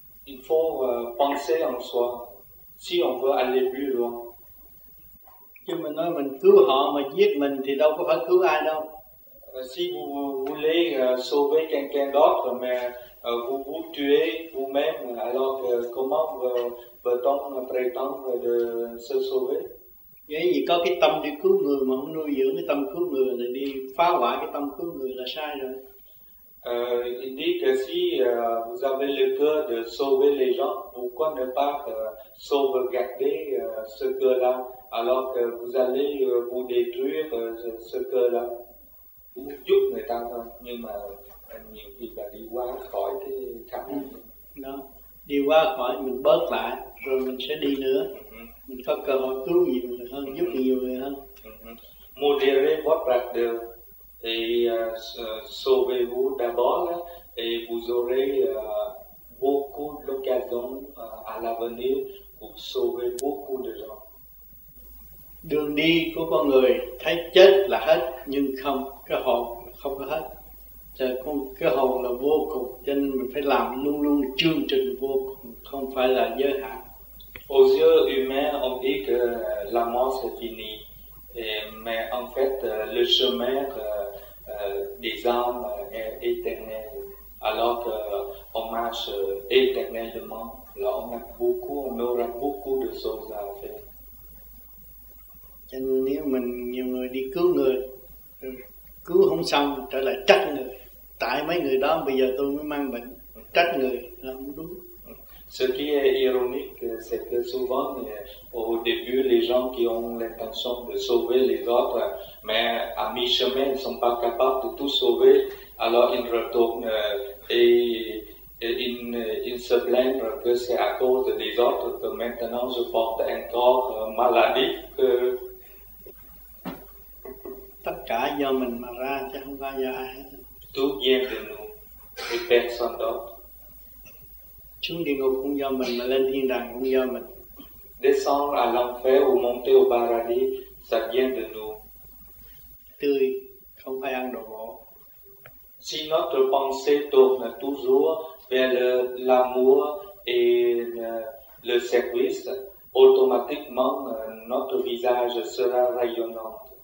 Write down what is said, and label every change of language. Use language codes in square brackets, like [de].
[fr] Il faut penser en soi, si on veut aller plus loin. [vi] Si mình nói mình cứu họ mà giết mình thì đâu có phải cứu ai đâu. [fr] Si vous voulez sauver quelqu'un d'autre, mais vous vous tuez vous-même, alors comment peut-on prétendre de se sauver? [vi] Vậy thì có cái tâm đi cứu người mà không nuôi dưỡng cái tâm cứu người là đi phá hoại cái tâm cứu người là sai rồi. [fr] Il dit que si vous avez le cœur de sauver les gens, pourquoi ne pas sauvegarder ce cœur-là alors que vous allez vous détruire ce cœur-là? [vi] Giúp người ta thôi, nhưng mà nhiều khi là đi qua khỏi cái cảm nhận. Đó, đi qua khỏi mình bớt lại, rồi mình sẽ đi nữa. Mình có cơ hội cứu nhiều người hơn, giúp nhiều người hơn. [fr] Modérez votre ardeur. Et sauvez-vous d'abord et vous aurez beaucoup d'occasions à l'avenir pour sauver beaucoup de gens. [vi] Đường đi của con người thấy chết là hết nhưng không, cái hồn không có hết. Cái hồn là vô cùng, cho nên mình phải làm luôn luôn chương trình vô cùng, không phải là giới hạn. [fr] Aux yeux humains, on dit que la mort c'est fini. Mais en fait, le chemin des âmes est éternel, alors qu'on marche éternellement, là on aura beaucoup de choses à faire. [vi] Cho nên nếu mình nhiều người đi cứu người, cứu không xong trở lại trách người, tại mấy người đó bây giờ tôi mới mang bệnh, trách người là không đúng. [fr] Ce qui est ironique, c'est que souvent, au début, les gens qui ont l'intention de sauver les autres, mais à mi-chemin, ils ne sont pas capables de tout sauver, alors ils retournent et ils se plaignent que c'est à cause des autres que maintenant je porte un corps maladie. Que... Tout vient de nous et personne d'autre. [vi] Xuống địa ngục cũng do mình mà lên thiên đàng cũng do mình. [fr] Descendre à l'enfer ou monter au paradis, ça vient de nous. [vi] Tươi, không phải ăn đồ bổ. [fr] Si notre pensée tourne toujours vers l'amour et le service, automatiquement notre visage sera rayonnant.